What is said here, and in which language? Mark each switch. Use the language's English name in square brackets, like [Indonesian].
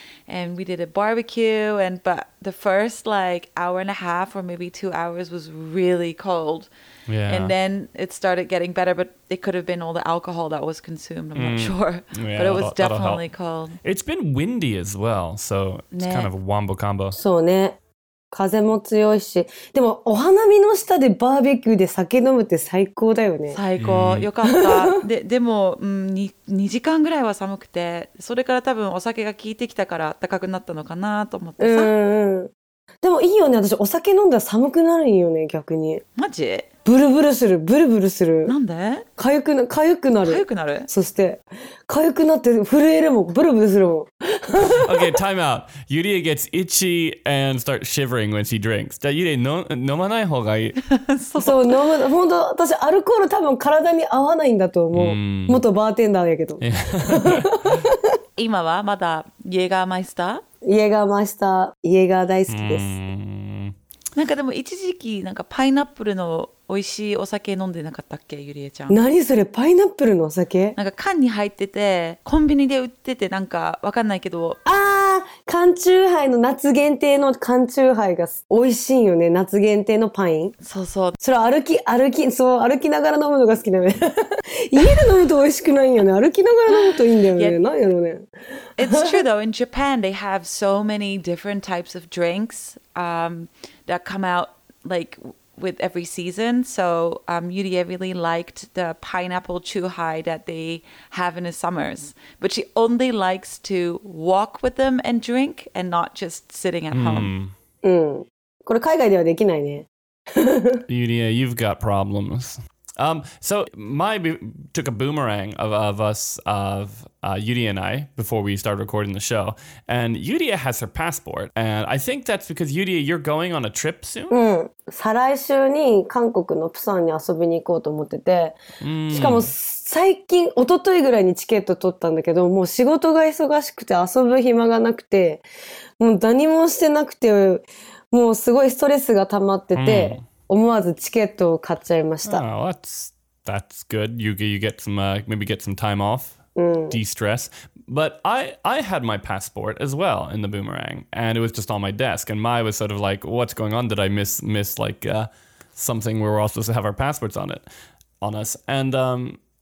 [English] And we did a barbecue. But the first like hour and a half or maybe 2 hours was really cold. Yeah. And then it started getting better, but it could have been all the alcohol that was consumed. I'm not sure. Yeah, but it was definitely cold. It's been windy as well, so it's kind of a wombo combo. [Japanese] そうね。風も強いし。でも、お花見の下でバーベキューで酒飲むって最高だよね。最高。よかった。でも、2時間ぐらいは寒くて、それから多分お酒が効いてきたから暖かくなったのかなと思ってさ。でもいいよね。私、お酒飲んだら寒くなるよね、逆に。マジ？ブルブルする、ブルブルする。なんで？痒くなる。痒くなる？そして、痒くなって震えるもん、ブルブルするもん。 [English] Okay, time out. Yurie gets itchy and starts shivering when she drinks. [Japanese] じゃあ、Yurie、飲まない方がいい。そう、飲む。本当、私、アルコール多分体に合わないんだと思う。元バーテンダーやけど。今はまだ、イエガーマイスター？イエガーマイスター、イエガー大好きです。なんかでも一時期なんかパイナップルの美味しいお酒飲んでなかったっけ、ゆりえちゃん。何それ、パイナップルのお酒？なんか缶に入ってて、コンビニで売ってて、なんかわかんないけど。ああ、缶中杯の夏限定の缶中杯が美味しいよね、夏限定のパイン。そうそう。それ歩きながら飲むのが好きだよね。家で飲むと美味しくないよね、歩きながら飲むといいんだよね、なんやろね。 [English] It's true though, in Japan they have so many different types of drinks, that come out like with every season. So Yurie really liked the pineapple chuhai that they have in the summers. But she only likes to walk with them and drink and not just sitting at home. [Japanese] これ海外ではできないね。 [English] Yurie, you've got problems. So Mai took a boomerang of Yurie and I before we started recording the show. And Yurie has her passport. And I think that's because Yurie, you're going on a trip soon? [Japanese] 再来週に韓国のプサンに遊びに行こうと思ってて。しかも最近、一昨日ぐらいにチケット取ったんだけど、もう仕事が忙しくて遊ぶ暇がなくて、もう何もしてなくて、もうすごいストレスが溜まってて。思わずチケットを買っちゃいました。 [English] Oh, that's good. You get some, maybe get some time off, de-stress. But I had my passport as well in the boomerang, and it was just on my desk. And Mai was sort of like, what's going on? Did I miss like, something where we're all supposed to have our passports on us? And